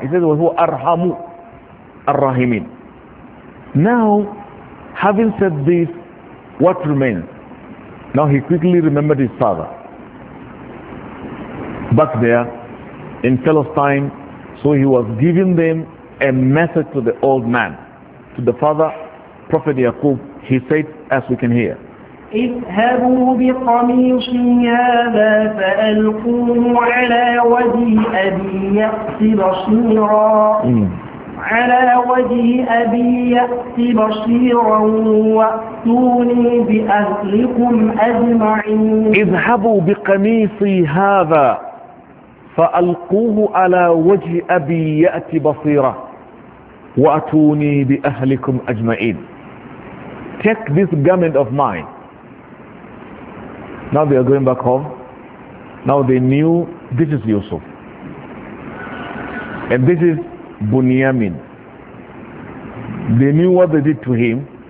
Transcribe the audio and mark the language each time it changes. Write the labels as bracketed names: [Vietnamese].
[English] He says, [Arabic] wa huwa arhamu al-rahimin. [English] Now, having said this, what remains? Now he quickly remembered his father. Back there, in Palestine. So he was giving them a message to the old man, to the father, Prophet Yaqub. He said, as we can hear, [Arabic] اذهبوا بقميصي هذا فألقوه على وجه أبي يأتي بصيرا على وجه أبي يأتي بصيرا وأتوني بأهلكم أجمعين. اذهبوا بقميصي هذا فألقوه على وجه أبي يأتي بصيرة وأتوني بأهلكم أجمعين. [English] Take this garment of mine. Now they are going back home. Now they knew this is Yusuf. And this is Bunyamin. They knew what they did to him.